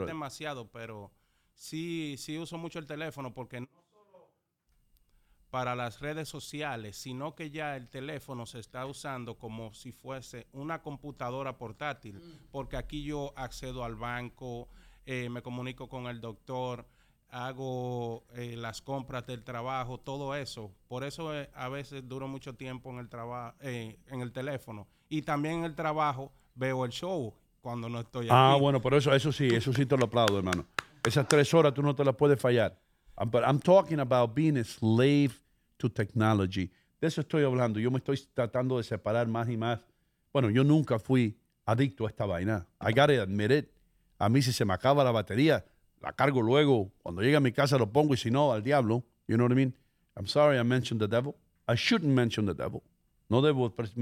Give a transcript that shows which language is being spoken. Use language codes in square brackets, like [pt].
[es] Es demasiado, pero sí uso mucho el teléfono porque no solo para las redes sociales, sino que ya el teléfono se está usando como si fuese una computadora portátil, porque aquí yo accedo al banco, me comunico con el doctor, hago las compras del trabajo, todo eso. Por eso a veces duro mucho tiempo en el trabajo, en el teléfono. Y también en el trabajo veo el show cuando no estoy aquí. Ah, bueno, pero eso sí te lo aplaudo, hermano. Esas 3 horas tú no te las puedes fallar. [en] But I'm talking about being a slave to technology. [es] De eso estoy hablando. Yo me estoy tratando de separar más y más. Bueno, yo nunca fui adicto a esta vaina. [en] I gotta admit it. [es] A mí si se me acaba la batería, la cargo luego, cuando llegue a mi casa lo pongo, y si no, al diablo. [en] You know what I mean? I'm sorry I mentioned the devil. I shouldn't mention the devil. [es] No debo.